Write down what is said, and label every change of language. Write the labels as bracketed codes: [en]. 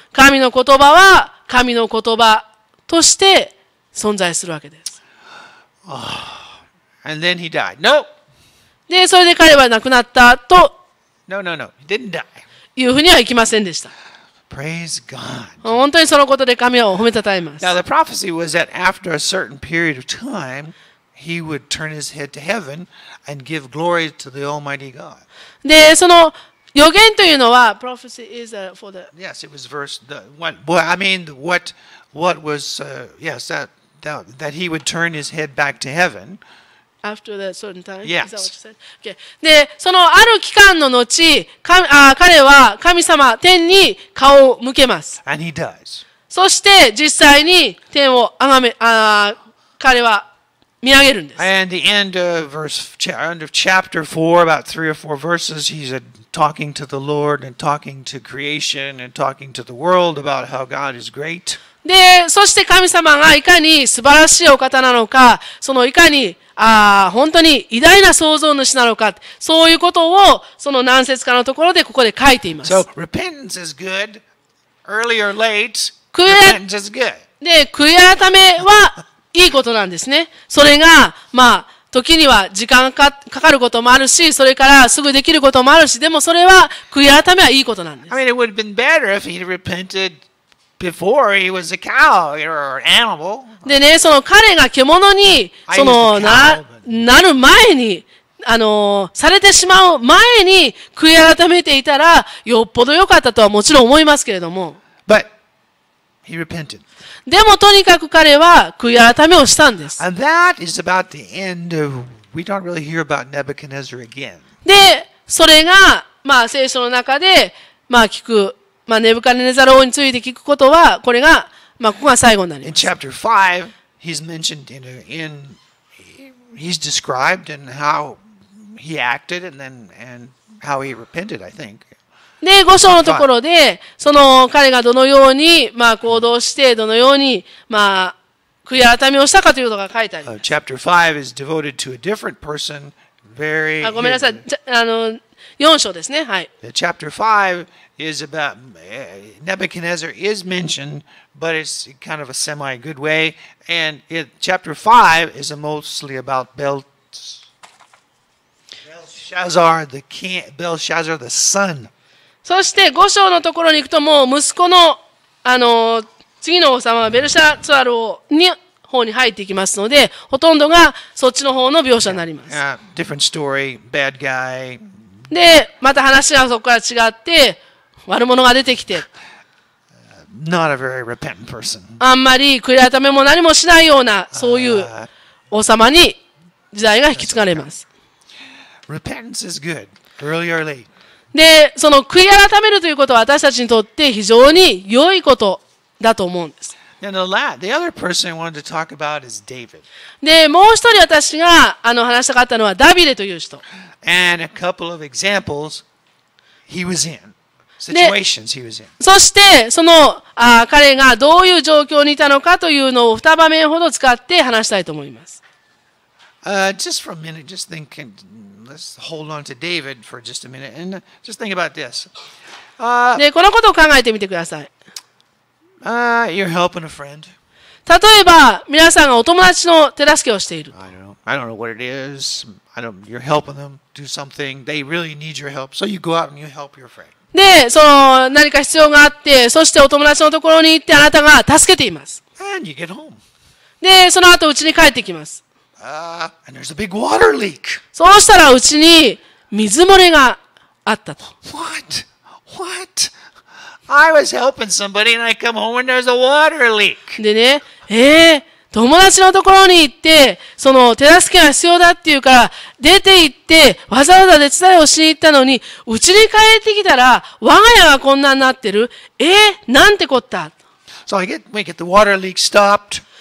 [ja] 神の言葉は神の言葉として存在するわけです。 [en] And then he died. No! [ja] で、それで彼は亡くなったと。 [en] No, no, no. He didn't die. [ja] いうふうにはいきませんでした。 [en] Praise God. [ja] 本当にそのことで神を褒めたたえます。 [en] Now, the prophecy was that after a certain period of time,He would turn his head to heaven and give glory to the Almighty God. [ja] で、その予言というのは、 [en] prophecy is for the. Yes, it was verse the one. Boy, I mean, what was yes that he would turn his head back to heaven after that certain time. Yes. Is that what you said? Okay. [ja] で、そのある期間の後、彼は神様天に顔を向けます。 [en] And he does. [ja] そして実際に天を崇め、彼は見上げるんです。 [en] And the end of chapter 4, about 3 or 4 verses, he's talking to the Lord and talking to creation and talking to the world about how God is great. [ja] で、そして神様がいかに素晴らしいお方なのか、そのいかに本当に偉大な創造主なのか、そういうことをその何節かのところでここで書いています。 [en] So repentance is good, early or late. Repentance is good. [ja] で、悔い改めはいいことなんですね。それが、まあ、時には時間がかかることもあるし、それからすぐできることもあるし、でもそれは、悔い改めはいいことなんです。 [en] I mean, it would have been better if he'd repented before he was a cow or animal. [ja] でね、その彼が獣に、その、なる前に、されてしまう前に、悔い改めていたら、よっぽど良かったとはもちろん思いますけれども。 [en] But he repented. [ja] でもとにかく彼は悔い改めをしたんです。 [en] And that is about the end of, we don't really hear about Nebuchadnezzar again. [ja] で、それが、まあ聖書の中で、まあ聞く、まあネブカネザル王について聞くことは、これが、まあここが最後になります。 [en] In chapter 5, he's mentioned he's described in how he acted and then, and how he repented, I think. [ja] で、5章のところで、その彼がどのように、まあ、行動して、どのように、まあ、悔い改めをしたかということが書いてあります。 [en] Chapter 5 is devoted to a different person, very. [ja] ごめんなさい、4章ですね、はい。 [en] Chapter 5 is about Nebuchadnezzar is mentioned, but it's kind of a semi good way. And chapter 5 is mostly about Belshazzar, the son. [ja] そして5章のところに行くともう息子の次の王様はベルシャツァル王に方に入っていきますのでほとんどがそっちの方の描写になります。 [en] Different story, bad guy. [ja] でまた話がそこから違って悪者が出てきて。 [en] Not a very repentant person. [ja] あんまり悔い改めも何もしないようなそういう王様に時代が引き継がれます。 [en] Repentance is good, early or late. [ja] で、その悔い改めるということは私たちにとって非常に良いことだと思うんです。 [en] The other person I wanted to talk about is David. [ja] で、もう一人私が話したかったのはダビデという人。 [en] And a couple of examples he was in. Situations he was in. [ja] そして、その彼がどういう状況にいたのかというのを二場面ほど使って話したいと思います。 [en] Just for a minute, just thinking. Let's hold on to David for just a minute and just think about this. [ja] で、このことを考えてみてください。 [en] You're helping a friend. [ja] 例えば、皆さんがお友達の手助けをしている。 [en] I don't know. I don't know what it is. You're helping them do something. They really need your help. So you go out and you help your friend. [ja] で、その何か必要があって、そしてお友達のところに行ってあなたが助けています。 [en] And you get home. [ja] で、その後家に帰ってきます。 [en] And there's a big water leak. [ja] そうしたらうちに水漏れがあったと。 [en] What? What? I was helping somebody and I come home and there's a water leak. [ja] でね、友達のところに行って、その手助けが必要だっていうから、出て行って、わざわざ手伝いをしに行ったのに、うちに帰ってきたら、我が家がこんなになってる。なんてこった。 [en] So we get the water leak stopped.